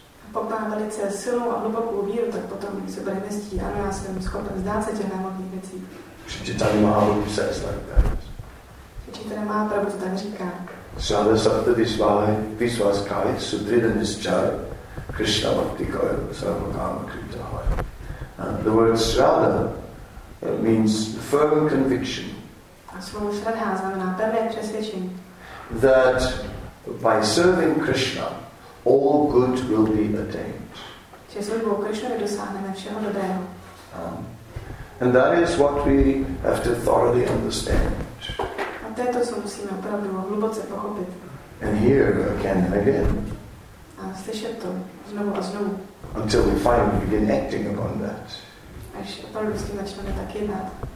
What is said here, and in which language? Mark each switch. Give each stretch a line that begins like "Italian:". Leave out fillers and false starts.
English: The word Shraddha means firm conviction.
Czech: A slovo Shraddha znamená pevné přesvědčení.
English: That by serving Krishna, all good will be attained.
Czech: Že službou Krišnovi dosáhneme všeho dobrého.
English: And that is what we have to thoroughly understand.
Czech: A to je to, co musíme opravdu hluboce pochopit.
English: And hear again and again.
Czech: A slyšet to znovu a znovu.
English: Until we finally begin acting upon that.
Czech: Až opravdu s tím začneme tak jednat.